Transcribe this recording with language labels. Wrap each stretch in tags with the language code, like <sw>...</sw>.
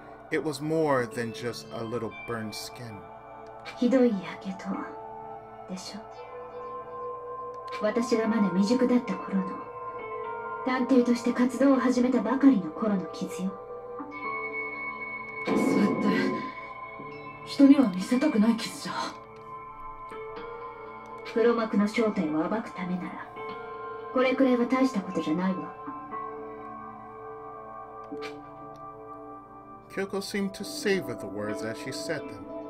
<en>It was more than just a little burned skin.</en> <ja>ひどいやけどでしょ。私がまだ未熟だった頃の、探偵として活動を始めたばかりの頃の傷よ。人には見せたくない傷じゃ。黒幕の正体を暴くためなら、これくらいは大したことじゃないわ。</ja> <en>Kyoko seemed to savor the words as she said them.</en>